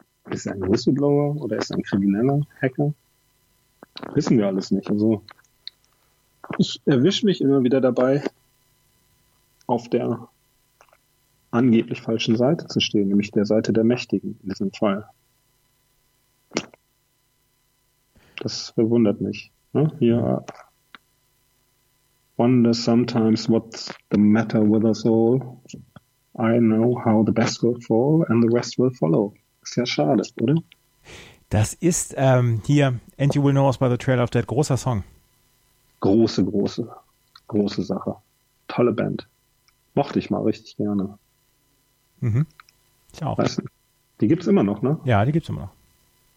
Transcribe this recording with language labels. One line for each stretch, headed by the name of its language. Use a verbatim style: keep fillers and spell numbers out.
German: Ist er ein Whistleblower oder ist er ein krimineller Hacker? Wissen wir alles nicht. Also ich erwische mich immer wieder dabei, auf der angeblich falschen Seite zu stehen, nämlich der Seite der Mächtigen in diesem Fall. Das verwundert mich. Ne?
English: Hier wonder sometimes what's the matter with us all. I know how the best will fall and the rest will follow.
German: Ist ja schade, oder? Das ist ähm, hier, And You Will Know Us by the Trail of Dead, großer Song. Große, große, große Sache. Tolle Band. Mochte ich mal richtig gerne. Mhm. Ich auch. Weißt du, die gibt's immer noch, ne? Ja, die gibt's immer noch.